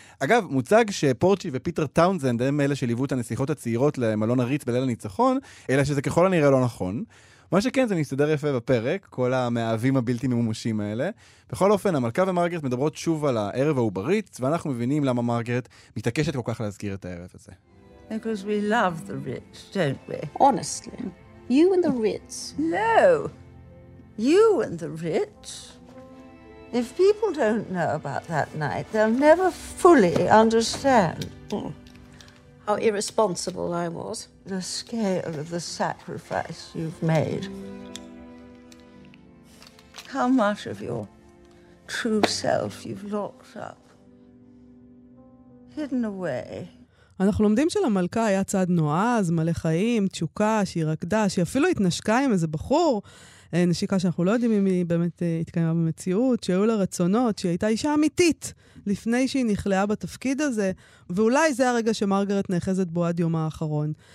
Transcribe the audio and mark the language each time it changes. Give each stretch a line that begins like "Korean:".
Hebrew: אגב, מוצג שפורצ'י ופיטר טאונזנד הם אלה שליוו את הנסיכות הצעירות למלון הריץ בליל הניצחון, אלא שזה ככל הנראה לא נכון. מה שכן, זה מסתדר יפה בפרק, כל המאהבים הבלתי ממומשים האלה. בכל אופן, המלכה ומרגרט מדברות שוב על הערב ההוא בריץ, ואנחנו מבינים למה מרגרט מתעקשת כל כך להזכיר את הערב הזה.
English: Because we love the rich, don't we? Honestly. You and the Ritz. No. You and the Ritz. If people don't know about that night, they'll never fully understand. Oh, how irresponsible I was. The scale of the sacrifice you've made. How much of your true self you've locked up. Hidden away.
Hebrew: אנחנו לומדים שלמלכה היה צד נועז, מלא חיים, תשוקה, שהיא רקדה, שהיא אפילו התנשקה עם איזה בחור, נשיקה שאנחנו לא יודעים אם היא באמת התקיימה במציאות, שהיו לה רצונות, שהיא הייתה אישה אמיתית לפני שהיא נכלאה בתפקיד הזה, ואולי זה הרגע שמרגרט נאחזת בו עד יומה האחרון.